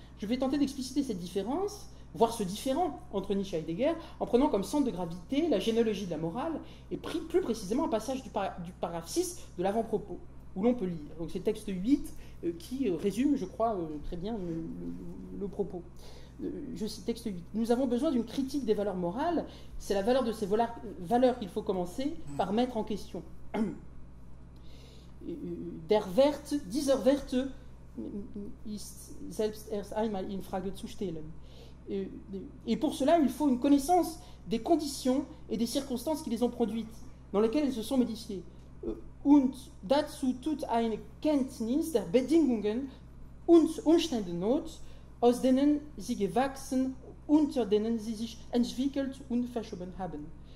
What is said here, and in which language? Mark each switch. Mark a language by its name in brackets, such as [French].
[French] Je vais tenter d'expliciter cette différence, voire ce différent entre Nietzsche et Heidegger, en prenant comme centre de gravité la généalogie de la morale et plus précisément un passage du paragraphe 6 de l'avant-propos, où l'on peut lire. Donc c'est le texte 8 qui résume, je crois, très bien le propos. Je cite texte 8. Nous avons besoin d'une critique des valeurs morales. C'est la valeur de ces valeurs qu'il faut commencer par mettre en question. [German] Der Werte, dieser Werte ist selbst erst einmal in Frage zu stellen. [French] Et pour cela, il faut une connaissance des conditions et des circonstances qui les ont produites, dans lesquelles elles se sont modifiées. [German] Und dazu tut eine Kenntnis der Bedingungen und Umstände not, aus denen sie gewachsen, unter denen sie sich entwickelt und verschoben haben.